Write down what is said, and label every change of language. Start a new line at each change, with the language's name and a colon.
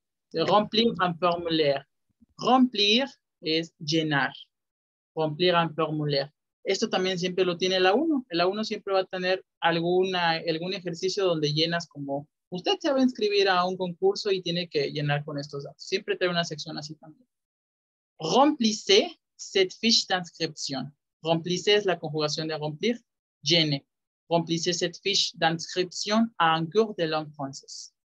French: C'est remplir un formulaire.
Spanish: Remplir es llenar.
French: Remplir un formulaire.
Spanish: Esto también siempre lo tiene la 1. La 1 siempre va a tener algún ejercicio donde llenas como... Usted se va a inscribir a un concurso y tiene que llenar con estos datos. Siempre trae una sección así también. Remplissez
French: cette fiche d'inscription. Remplissez la
Spanish: conjugación de remplir. Llene.
French: Remplissez cette fiche d'inscription à un cours de langue française.